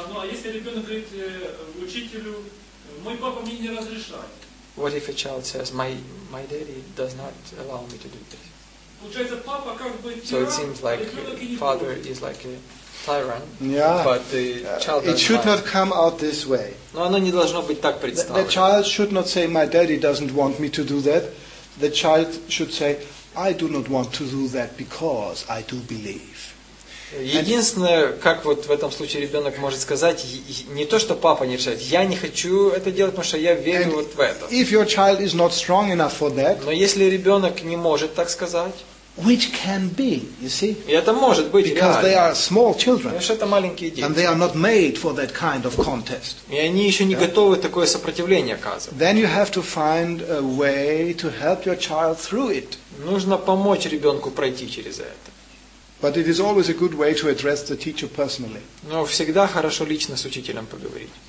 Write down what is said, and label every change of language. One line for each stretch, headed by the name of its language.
Russian: Если ребенок говорит учителю, мой папа мне не разрешает.
English: What if a child says, my daddy does not allow me to do this? So it seems like father is like a tyrant, but the child It should not come out this way.
Russian: Но оно не должно быть так представлено.
English: The child should not say, my daddy doesn't want me to do that. The child should say, I do not want to do that because I do believe.
Russian: Единственное, как вот в этом случае ребенок может сказать, не то, что папа не решает, я не хочу это делать, потому что я верю вот в это.
English: If your child is not strong enough for that,
Russian: но если ребенок не может так сказать,
English: which can be, you see,
Russian: и это может быть,
English: because
Russian: реально,
English: they are small children,
Russian: потому что это маленькие дети,
English: and they are not made for that kind of contest,
Russian: и они еще не готовы такое сопротивление оказывать.
English: Then you have to find a way to help your child through it.
Russian: Нужно помочь ребенку пройти через это.
English: But it is always a good way to address the teacher personally.
Russian: Но всегда хорошо лично с учителем поговорить.